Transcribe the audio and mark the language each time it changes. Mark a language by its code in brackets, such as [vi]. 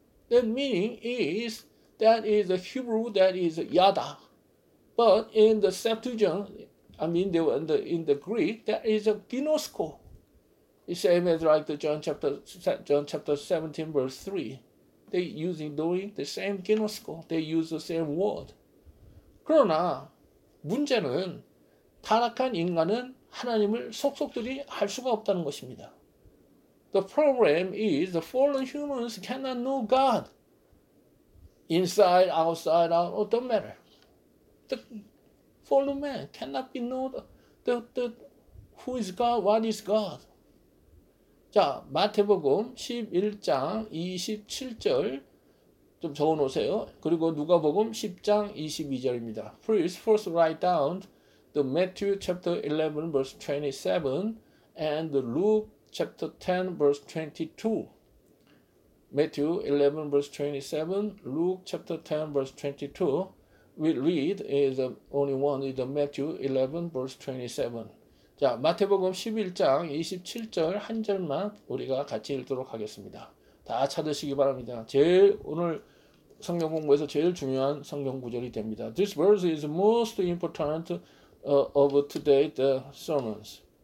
[en] The meaning is, that is a Hebrew, that is yada. But in the Septuagint, in the Greek, that is a ginosko. It's same as like the John chapter 17, verse 3. They're doing the same ginosko. They use the same word. [ko] 그러나 문제는 타락한 인간은 하나님을 속속들이 알 수가 없다는 것입니다. [en] The problem is the fallen humans cannot know God. Inside, outside, out, it don't matter. The fallen man cannot be known the who is God, what is God. [ko] 자, 마태복음 11장 27절 좀 적어놓으세요. 그리고 누가복음 10장 22절입니다. [en] Please first write down the Matthew chapter 11 verse 27 and the Luke chapter 10 verse 22. Matthew 11 verse 27, Luke chapter 10 verse 22. We read is the only one is the Matthew 11 verse 27. [ko] 자, 마태복음 11장 27절 한 절만 우리가 같이 읽도록 하겠습니다. 다 찾으시기 바랍니다. 제일 오늘 성경 공부에서 제일 중요한 성경 구절이 됩니다. [en] This verse is most important of today's sermons.